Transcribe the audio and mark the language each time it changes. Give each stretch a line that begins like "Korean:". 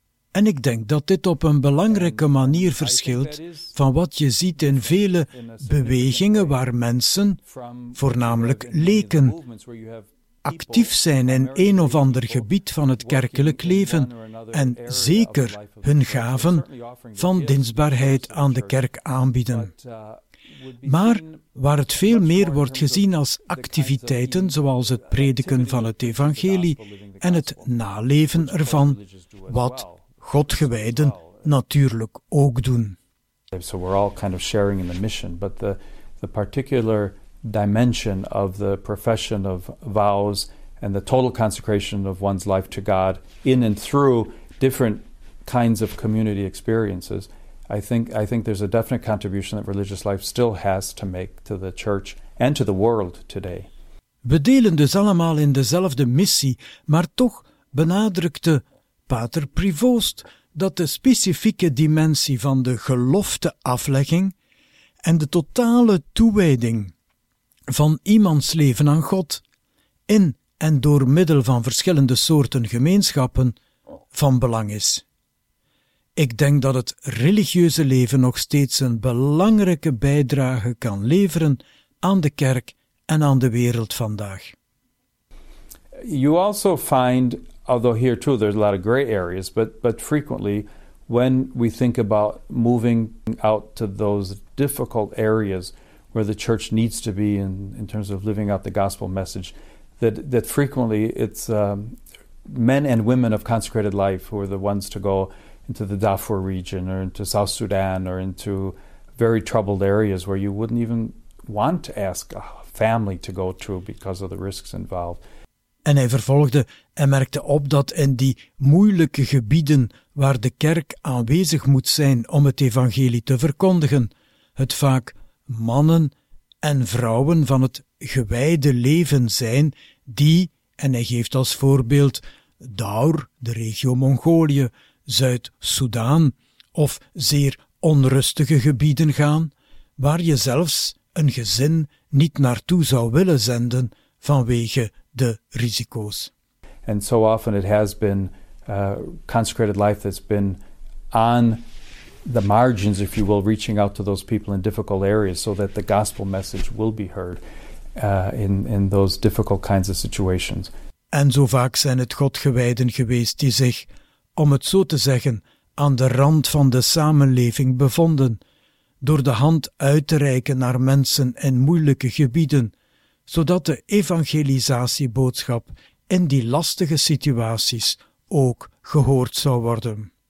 Dutch: En ik denk dat dit op een belangrijke manier verschilt van wat je ziet in vele bewegingen waar mensen, voornamelijk leken, actief zijn in een of ander gebied van het kerkelijk leven en zeker hun gaven van dienstbaarheid aan de kerk aanbieden. Maar waar het veel meer wordt gezien als activiteiten zoals het prediken van het evangelie en het naleven ervan, wat Godgewijden natuurlijk ook doen.
English: So we're all kind of sharing in the mission, but the particular dimension of the profession of vows and the total consecration of one's life to God in and through different kinds of community experiences, I think there's a definite contribution that religious life still has to make to the church and to the world today.
Dutch: We delen dus allemaal in dezelfde missie, maar toch benadrukte Pater Prevost dat de specifieke dimensie van de gelofte aflegging en de totale toewijding van iemands leven aan God in en door middel van verschillende soorten gemeenschappen van belang is. Ik denk dat het religieuze leven nog steeds een belangrijke bijdrage kan leveren aan de kerk en aan de wereld vandaag.
English: You also find, although here too there's a lot of gray areas, but frequently when we think about moving out to those difficult areas where the church needs to be in terms of living out the gospel message, that frequently it's men and women of consecrated life who are the ones to go into the Darfur region or into South Sudan or into very troubled areas where you wouldn't even want to ask a family to go to because of the risks involved.
Dutch: En hij vervolgde en merkte op dat in die moeilijke gebieden waar de kerk aanwezig moet zijn om het evangelie te verkondigen, het vaak mannen en vrouwen van het gewijde leven zijn die, en hij geeft als voorbeeld Daur, de regio Mongolië, Zuid-Soedan of zeer onrustige gebieden gaan, waar je zelfs een gezin niet naartoe zou willen zenden vanwege de risico's.
English: And so often it has been consecrated life that's been on the margins, if you will, reaching out to those people in difficult areas so that the gospel message will be heard in those difficult kinds of situations.
Dutch: En zo vaak zijn het Godgewijden geweest die zich, om het zo te zeggen, aan de rand van de samenleving bevonden, door de hand uit te reiken naar mensen in moeilijke gebieden, zodat de evangelisatieboodschap in die lastige situaties ook gehoord zou worden.